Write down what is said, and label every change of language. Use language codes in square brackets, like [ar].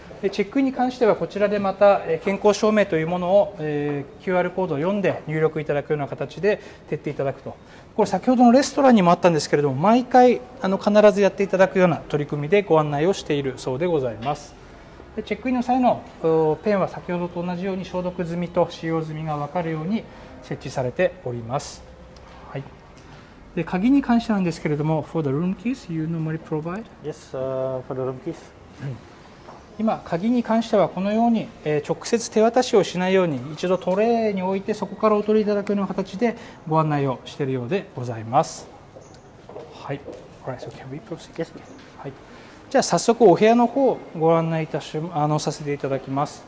[ja] でチェックインに関してはこちらでまた健康証明というものを、QR コードを読んで入力いただくような形で徹底いただくと、これ先ほどのレストランにもあったんですけれども、毎回あの必ずやっていただくような取り組みでご案内をしているそうでございます。でチェックインの際のペンは先ほどと同じように消毒済みと使用済みが分かるように設置されております。はい。で鍵に関してなんですけれども、 [en] For the room keys you normally provide? Yes, for the room keys、うん、 [ja] 今鍵に関してはこのように、直接手渡しをしないように一度トレーに置いてそこからお取りいただくような形でご案内をしているようでございます。 [en] はい、Alright, so can we proceed? Yes. [ja] はい、じゃあ早速お部屋の方をご案内いたしあのさせていただきます。